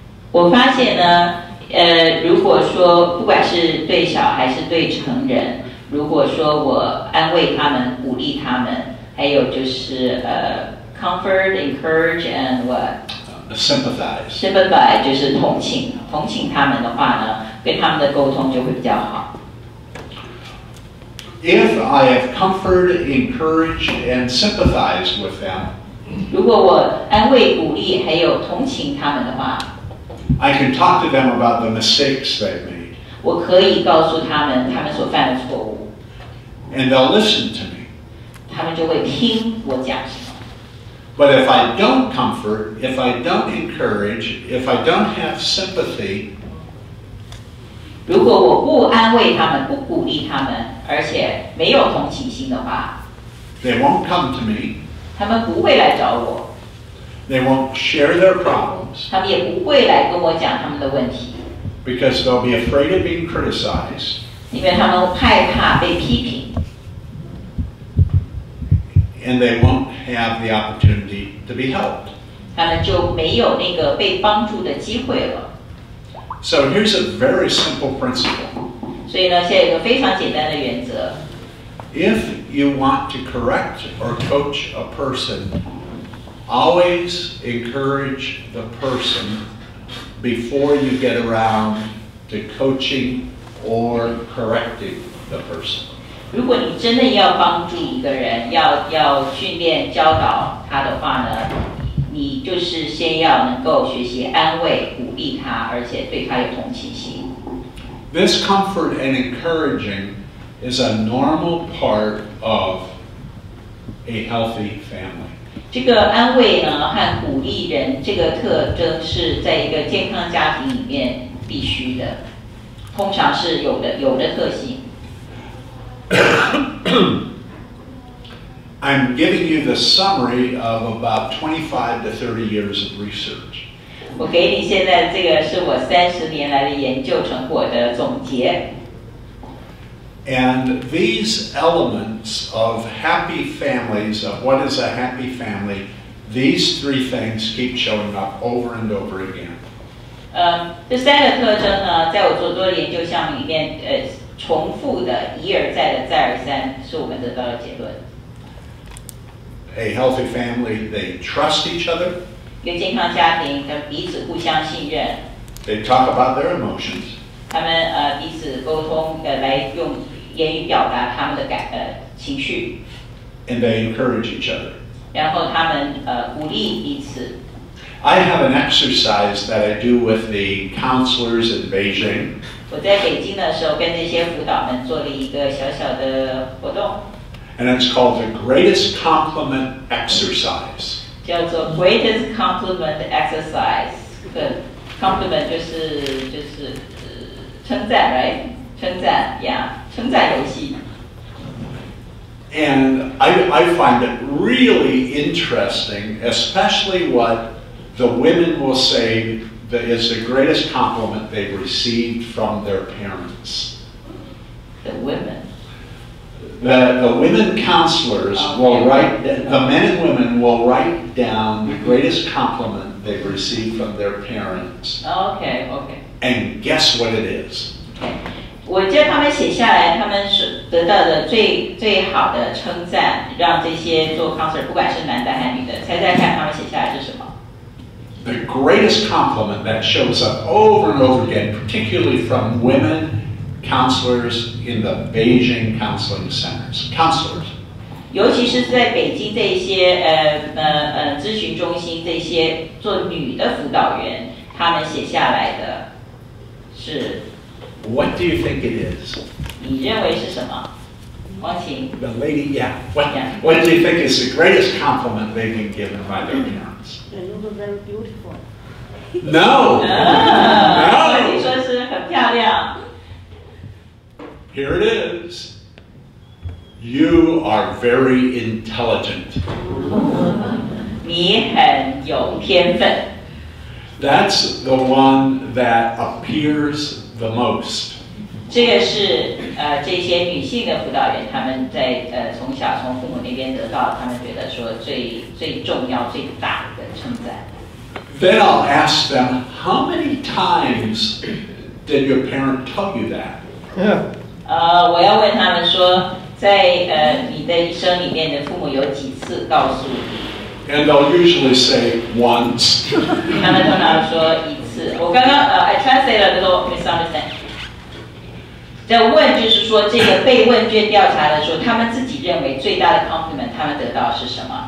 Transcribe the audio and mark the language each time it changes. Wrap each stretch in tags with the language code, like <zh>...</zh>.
<zh>我发现呢，如果说不管是对小还是对成人，如果说我安慰他们、鼓励他们，还有就是</zh> <en>comfort, encourage, and what? Sympathize.</en> <zh>Sympathize 就是同情，同情他们的话呢，跟他们的沟通就会比较好。</zh> <en>If I have comforted, encouraged, and sympathized with them,</en> <zh>如果我安慰、鼓励还有同情他们的话</zh> <en>，I can talk to them about the mistakes they made.</en> <zh>我可以告诉他们他们所犯的错误。</zh> <en>And they'll listen to me.</en> <zh>他们就会听我讲。</zh> <en>But if I don't comfort, if I don't encourage, if I don't have sympathy,</en> <zh>如果我不安慰他们，不鼓励他们，而且没有同情心的话，</zh> <en>they won't come to me.</en> <zh>他们不会来找我。</zh> <en>They won't share their problems.</en> <zh>他们也不会来跟我讲他们的问题。</zh> <en>Because they'll be afraid of being criticized.</en> <zh>因为他们害怕被批评。</zh> <en>And they won't have the opportunity to be helped.</en> <zh>他们就没有那个被帮助的机会了。</zh> <en>So here's a very simple principle.</en> <zh>所以呢，现在有个非常简单的原则。</zh> <en>If you want to correct or coach a person, always encourage the person before you get around to coaching or correcting the person.</en> <zh>如果你真的要帮助一个人，要训练教导他的话呢？你就是先要能够学习安慰鼓励他，而且对他有同情心。</zh> <en>This comfort and encouraging is a normal part of a healthy family.</en> <zh>这个安慰呢和鼓励人这个特征是在一个健康家庭里面必须的，通常是有的特性。</zh> <en>I'm giving you the summary of about 25 to 30 years of research.</en> <zh>我给你现在这个是我30年来的研究成果的总结。</zh> <en>And these elements of happy families, of what is a happy family, these three things keep showing up over and over again.</en> <zh>这三个特征呢，在我做多的研究项目里面，重复的，一而再的，再而三，是我们得到的结论。</zh> <en>A healthy family, they trust each other.</en> <zh>一个健康家庭，他们彼此互相信任。</zh> <en>They talk about their emotions.</en> <zh>他们彼此沟通，来用言语表达他们的情绪。</zh> <en>And they encourage each other.</en> <zh>然后他们鼓励彼此。</zh> <en>I have an exercise that I do with the counselors in Beijing.</en> <zh>我在北京的时候，跟这些辅导们做了一个小小的活动。</zh> <en>And it's called the greatest compliment exercise.</en> <zh>叫做</zh> <en>greatest compliment exercise. Compliment</en> <zh>就是称赞</zh> <en>right?</en> <zh>称赞 yeah, 称赞游戏。</zh> <en>And I find it really interesting, especially what the women will say that is the greatest compliment they've received from their parents. The women. The women counselors will write, the men and women will write down the greatest compliment they've received from their parents. Okay, okay. And guess what it is?</en> <zh>我叫他们写下来，他们得到的最好的称赞，让这些做 counselor 不管是男的还是女的，猜猜看他们写下来是什么？</zh> <en>The greatest compliment that shows up over and over again, particularly from women,counselors in the Beijing counseling centers. Counselors.</en> <zh>尤其是在北京这些咨询中心这些做女的辅导员他们写下来的是</zh> <en>What do you think it is?</en> <zh>你认为是什么王晴</zh> <en>The lady, yeah. What do you think is the greatest compliment they've been given by their parents? They look very beautiful. No! No!</en> <zh>我跟你说是很漂亮。</zh> <en>Here it is. You are very intelligent.</en> <zh>你很有天分。</zh> <en>That's the one that appears the most.</en> <zh>这个是这些女性的辅导员，她们在从小从父母那边得到，她们觉得说最重要、最大的称赞。</zh> <en>Then I'll ask them, how many times did your parent tell you that? Yeah.</en> <zh>我要问他们说，在你的一生里面，你的父母有几次告诉你</zh> <en>？And they'll usually say once.</en> <zh>他们通常说一次。我刚刚</zh> <en>I translate a little misunderstanding.</en> <zh>在问就是说，这个被问卷调查的时候，他们自己认为最大的 compliment 他们得到是什么？</zh>